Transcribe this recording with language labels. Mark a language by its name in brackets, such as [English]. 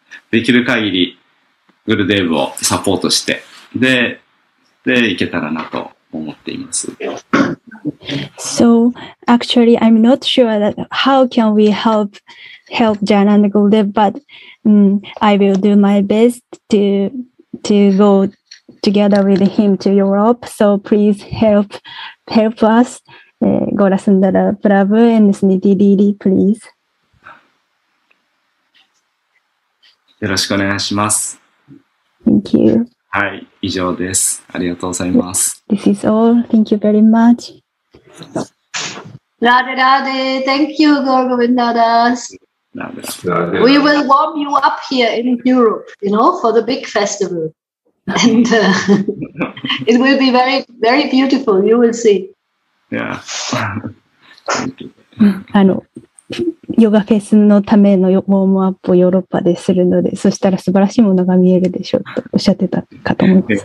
[Japanese] できる限り、グルデーブをサポートして、で、いけたらなと思っています。 [English] So, actually, I'm not sure that how can we help Jan and Gurudev, but、I will do my best to go together with him to Europe. So please help us, Gora Sundara Prabhu and Sniti Didi, please. [Japanese] よろしくお願いします。 [English] Thank you. [Japanese] はい、以上です。ありがとうございます。 [English] This is all. Thank you very much. Radha Radha, thank you, Govindada. We will warm you up here in Europe, you know, for the big festival. And it will be very, very beautiful, you will see. Yeah. [Japanese] ヨガフェスのためのウォームアップをヨーロッパでするので、そしたら素晴らしいものが見えるでしょうとおっしゃってたかと思います。